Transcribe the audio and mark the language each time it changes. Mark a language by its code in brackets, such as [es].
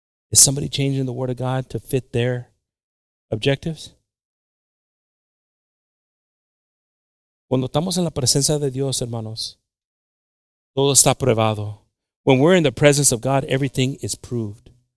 [en] Is somebody changing the word of God to fit their objectives? [es] Cuando estamos en la presencia de Dios, hermanos. Todo está probado. [en] When we're in the presence of God, everything is proved.